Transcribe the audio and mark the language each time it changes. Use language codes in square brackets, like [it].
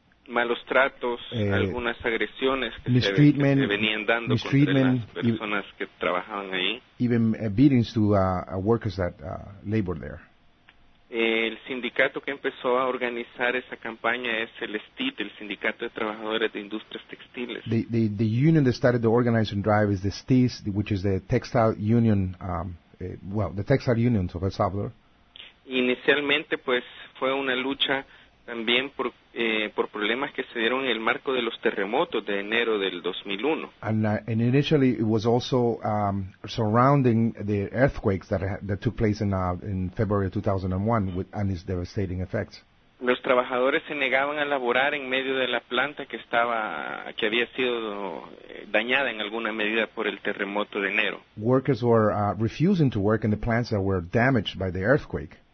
[es] Malos tratos, algunas agresiones que se venían dando contra las personas que trabajaban ahí. [en] Even beatings to workers that labored there. [es] El sindicato que empezó a organizar esa campaña es el STIT, el Sindicato de Trabajadores de Industrias Textiles. [en] The union that started the organizing drive is the STIS, which is the textile union, the textile unions of El Salvador. [es] Inicialmente, pues, fue una lucha también por problemas que se dieron en el marco de los terremotos de enero del 2001. [en] And initially, it was also surrounding the earthquakes that took place in February 2001 with and its devastating effects. [es] Los trabajadores se negaban a laborar en medio de la planta que había sido dañada en alguna medida por el terremoto de enero. [en] Workers were refusing to work in the plants that were damaged by the earthquake.